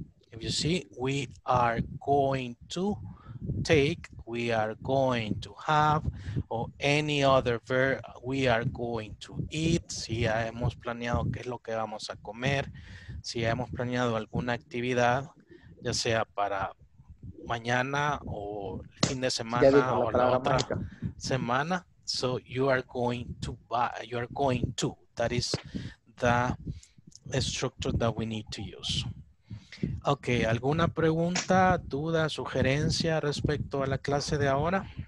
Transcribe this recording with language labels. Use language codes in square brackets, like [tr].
[en] If you see, we are going to take, we are going to have, or any other verb, we are going to eat. [es] Si ya hemos planeado qué es lo que vamos a comer. Si ya hemos planeado alguna actividad, ya sea para mañana o fin de semana o la otra semana. [en] So you are going to buy, you are going to. That is the structure that we need to use. [es] Ok, ¿alguna pregunta, duda, sugerencia respecto a la clase de ahora?